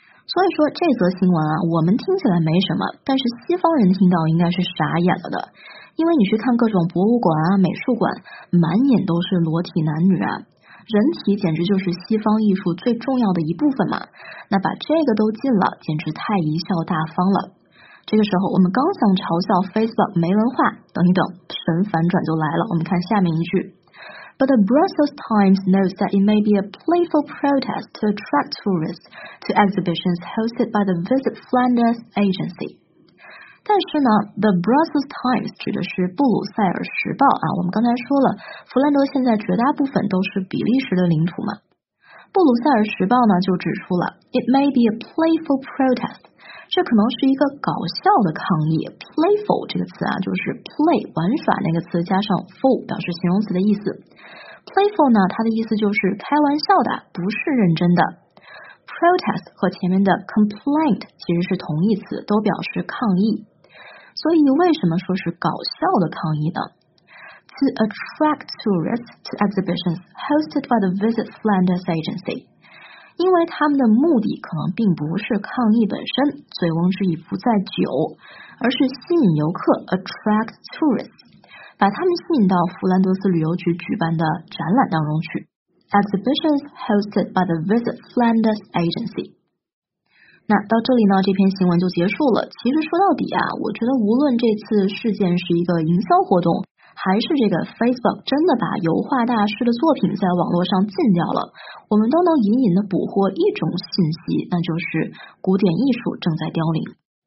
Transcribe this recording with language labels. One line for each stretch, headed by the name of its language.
Chinese: 所以说这则新闻啊，我们听起来没什么，但是西方人听到应该是傻眼了的，因为你去看各种博物馆啊、美术馆，满眼都是裸体男女啊，人体简直就是西方艺术最重要的一部分嘛。那把这个都禁了，简直太贻笑大方了。这个时候，我们刚想嘲笑 Facebook 没文化，等一等，神反转就来了。我们看下面一句
English: ：But the Brussels Times notes that it may be a playful protest to attract tourists to exhibitions hosted by the Visit Flanders agency。
Chinese: 但是呢 The Brussels Times 指的是布鲁塞尔时报啊，我们刚才说了弗兰德现在绝大部分都是比利时的领土嘛。布鲁塞尔时报呢就指出了
English: It may be a playful protest，
Chinese: 这可能是一个搞笑的抗议。 playful 这个词啊就是 play 玩耍那个词加上 full 表示形容词的意思。 playful 呢它的意思就是开玩笑的，不是认真的。 Protest 和前面的 complaint 其实是同义词，都表示抗议。所以为什么说是搞笑的抗议呢？
English: To attract tourists to exhibitions hosted by the Visit Flanders agency，
Chinese: 因为他们的目的可能并不是抗议本身，醉翁之意不在酒，而是吸引游客
English: attract tourists，
Chinese: 把他们吸引到弗兰德斯旅游局举办的展览当中去。
English: Exhibitions hosted by the Visit Flanders Agency。
Chinese: 那到这里呢这篇新闻就结束了。其实说到底啊，我觉得无论这次事件是一个营销活动，还是这个 Facebook 真的把油画大师的作品在网络上禁掉了，我们都能隐隐的捕获一种信息，那就是古典艺术正在凋零。